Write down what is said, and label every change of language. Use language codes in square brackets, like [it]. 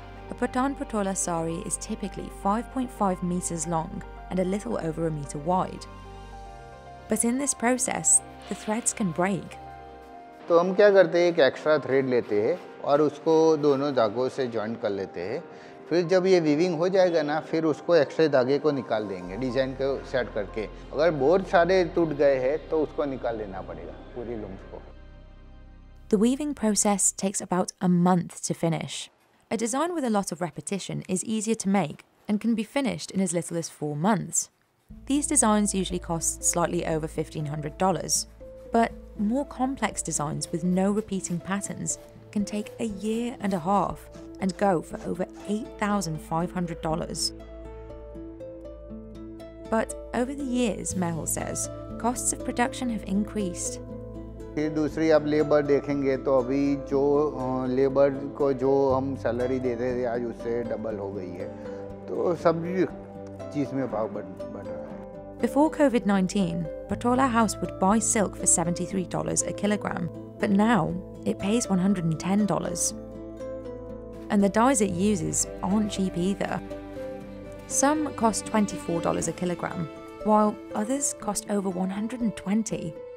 [en] A Patan Patola sari is typically 5.5 meters long and a little over a meter wide. But in this process, the threads can break. So we take an extra thread and join it with both sides. [hi] फिर जब ये weaving हो जाएगा ना फिर उसको एक्स्ट्रे धागे को निकाल देंगे डिजाइन को सेट करके अगर बहुत सारे टूट गए हैं तो उसको निकाल लेना पड़ेगा पूरी लूम्स को [en] The weaving process takes about a month to finish. A design with a lot of repetition is easier to make and can be finished in as little as 4 months. These designs usually cost slightly over $1,500, but more complex designs with no repeating patterns can take a year and a half and go for over $8,500. But over the years, Mehul says, costs of production have increased. [hi] फिर दूसरी अब labour देखेंगे तो अभी जो labour को जो हम सैलरी देते थे आज उससे डबल हो गई है तो सब चीज में भाव बढ़ रहा है. [en] Before COVID-19, Patola House would buy silk for $73 a kilogram, but now it pays $110. And the dyes it uses aren't cheap either. Some cost $24 a kilogram, while others cost over $120.